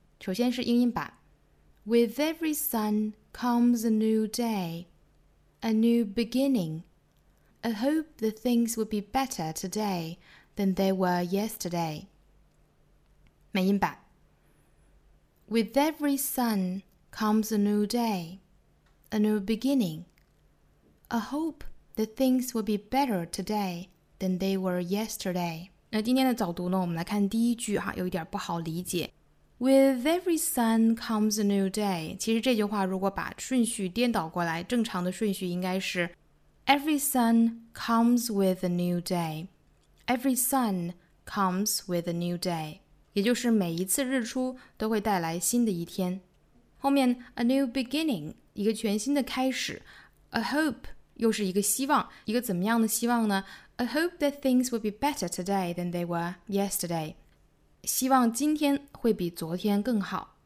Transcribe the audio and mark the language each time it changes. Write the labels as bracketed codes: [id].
[zh] 首先是英音版 [en] With every sun comes a new day, a new beginning, I hope that things will be better todayThan they were yesterday. [zh] 美音版 [en] With every sun comes a new day, a new beginning, a hope that things will be better today than they were yesterday. [zh] 那今天的早读呢，我们来看第一句哈，有一点不好理解。 [en] With every sun comes a new day. [zh] 其实这句话如果把顺序颠倒过来，正常的顺序应该是 [en] Every sun comes with a new day. Every sun comes with a new day. [zh] 也就是每一次日出都会带来新的一天。 [en] 后面 a new beginning, [zh] 一个全新的开始。 [en] A hope, [zh] 又是一个希望，一个怎么样的希望呢？ [en] I hope that things will be better today than they were yesterday. [zh] 希望今天会比昨天更好。